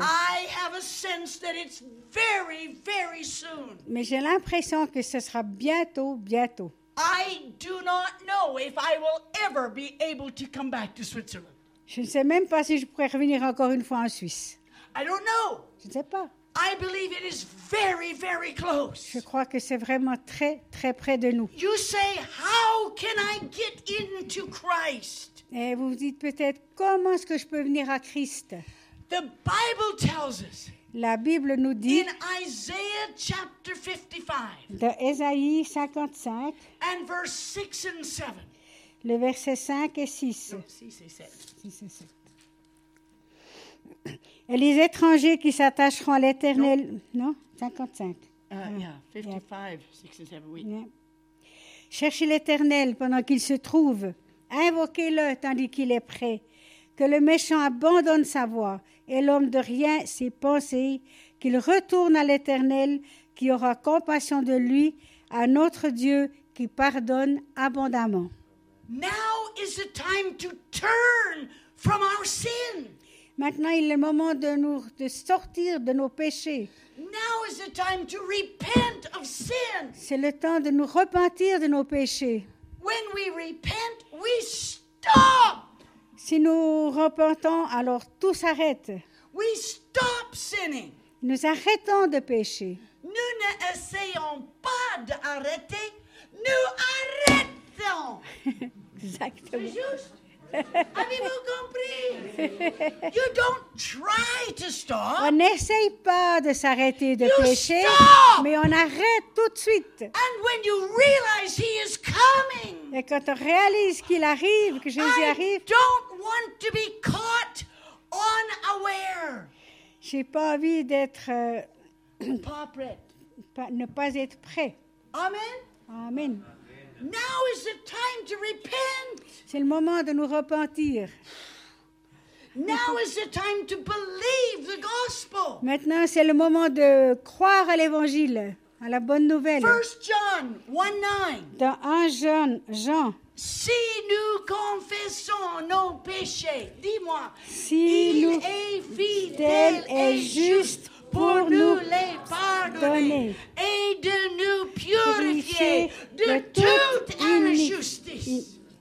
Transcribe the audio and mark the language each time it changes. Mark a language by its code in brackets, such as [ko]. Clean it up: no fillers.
[en] I have a sense that it's very very soon. [fr] Mais j'ai l'impression que ce sera bientôt bientôt. [en] I do not know if I will ever be able to come back to Switzerland. [fr] Je ne sais même pas si je pourrai revenir encore une fois en Suisse. [en] I don't know. [fr] Je ne sais pas. [en] I believe it is very, very close. [fr] Je crois que c'est vraiment très, très près de nous. [en] You say, how can I get into Christ? [fr] Et vous vous dites peut-être, comment est-ce que je peux venir à Christ? [en] The Bible tells us. [fr] La Bible nous dit. [en] In Isaiah chapter 55. [fr] De Ésaïe 55. [en] And verse 6 and 7. [fr] Le verset 5 et 6. Non, 6 et 7. 6 et 7. Et les étrangers qui s'attacheront à l'Éternel... Non, 55. Yeah. Cherchez l'Éternel pendant qu'il se trouve. Invoquez-le tandis qu'il est prêt. Que le méchant abandonne sa voie et l'homme de rien ses pensées. Qu'il retourne à l'Éternel qui aura compassion de lui, à notre Dieu qui pardonne abondamment. [en] Now is the time to turn from our sin. [fr] Maintenant, il est le moment de sortir de nos péchés. [en] Now is the time to repent of sin. [fr] C'est le temps de nous repentir de nos péchés. [en] When we repent, we stop. [fr] Si nous repentons, alors tout s'arrête. [en] We stop sinning. [fr] Nous arrêtons de pécher. Nous n'essayons pas d'arrêter, nous arrêtons. Exactement. C'est juste. Avez-vous compris? [en] You don't try to stop. [fr] On n'essaye pas de s'arrêter de [en] you [fr] pécher, [en] stop. [fr] Mais on arrête tout de suite. [en] And when you realize he is coming, [fr] et quand on réalise qu'il arrive, que Jésus [en] I [fr] arrive, [en] don't want to be caught unaware. [fr] J'ai pas envie d'être pas prêt. Ne pas être prêt. Amen. Amen. [en] Now is the time to repent. [fr] C'est le moment de nous repentir. [en] Now is the time to believe the gospel. [fr] Maintenant, c'est le moment de croire à l'évangile, à la bonne nouvelle. [en] 1 John 1:9. [fr] Dans 1 Jean, Jean. Si nous confessons nos péchés, dis-moi, si il nous est fidèle et juste pour nous les pardonner et de nous purifier de toute injustice.